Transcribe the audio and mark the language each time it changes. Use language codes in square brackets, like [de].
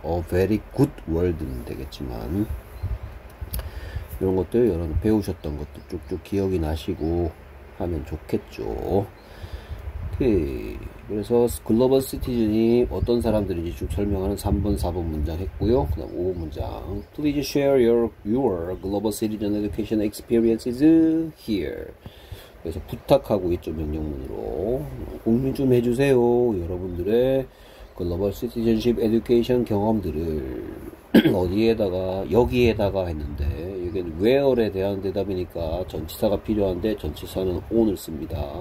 [en] a very good world [ko] 는 되겠지만 이런 것들 여러분 배우셨던 것도 쭉쭉 기억이 나시고 하면 좋겠죠. 오케이. 그래서 글로벌 시티즌이 어떤 사람들인지 쭉 설명하는 3번, 4번 문장 했고요. 그다음 5번 문장. [en] Please share your global citizen education experiences here. [ko] 그래서 부탁하고 있죠. 명령문으로 공유 좀 해주세요. 여러분들의 글로벌 시티즌십 에듀케이션 경험들을 어디에다가 여기에다가 했는데 이게 where에 대한 대답이니까 전치사가 필요한데 전치사는 on을 씁니다.